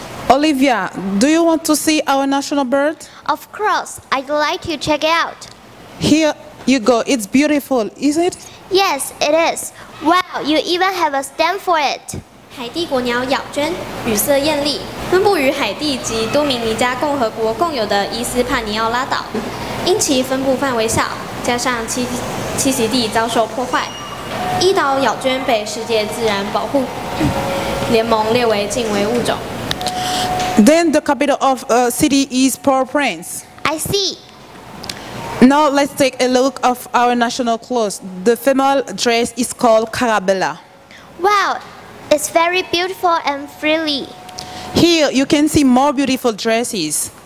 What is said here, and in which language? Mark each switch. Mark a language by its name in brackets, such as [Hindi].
[English] Olivia, do you want to see our national bird? Of course. I'd like to check it out. Here. You go, it's beautiful, is it? Yes, it is. Wow, you even have a stamp for it. [Chinese] 海地国鸟咬鹃，羽色艳丽，分布于海地及多明尼加共和国共有的伊斯帕尼奥拉岛，因其分布范围小，加上栖息地遭受破坏，一岛咬鹃被世界自然保护联盟列为禁危物种。 [English] Then the capital of a city is Port-au-Prince. I see. Now let's take a look of our national clothes. The female dress is called carabella. Wow, it's very beautiful and frilly. Here you can see more beautiful dresses.